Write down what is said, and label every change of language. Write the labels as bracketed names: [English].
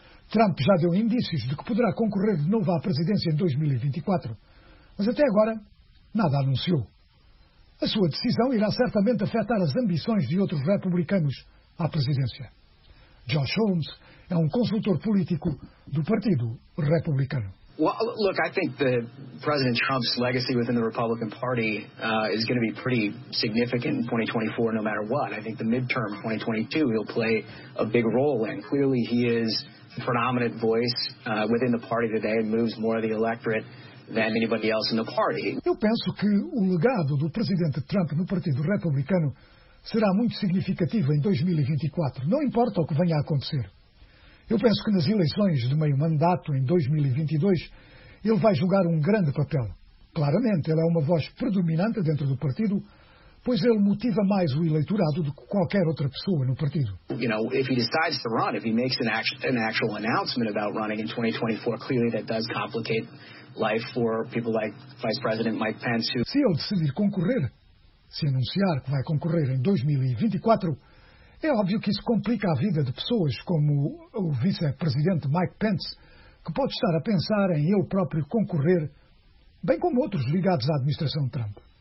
[Portuguese] Trump já deu indícios de que poderá concorrer de novo à presidência em 2024, mas até agora nada anunciou. A sua decisão irá certamente afetar as ambições de outros republicanos à presidência. Josh Holmes é um consultor político do Partido Republicano. [English] Well, look, I think the President Trump's legacy within the Republican Party is going to be pretty significant in 2024 no matter what. I think the midterm 2022 he'll play a big role in. Clearly he is the predominant voice within the party today and moves more of the electorate than anybody else in the party. [Portuguese] Eu penso que o legado do presidente Trump no Partido Republicano será muito significativo em 2024, não importa o que venha a acontecer. Eu penso que nas eleições de meio mandato, em 2022, ele vai jogar um grande papel. Claramente, ele é uma voz predominante dentro do partido, pois ele motiva mais o eleitorado do que qualquer outra pessoa no partido. [English] You know, if he decides to run, if he makes an actual announcement about running in 2024, clearly that does complicate life for people like Vice President Mike Pence. [Portuguese] Se ele decidir concorrer, se anunciar que vai concorrer em 2024, é óbvio que isso complica a vida de pessoas como o vice-presidente Mike Pence, que pode estar a pensar em eu próprio concorrer, bem como outros ligados à administração de Trump.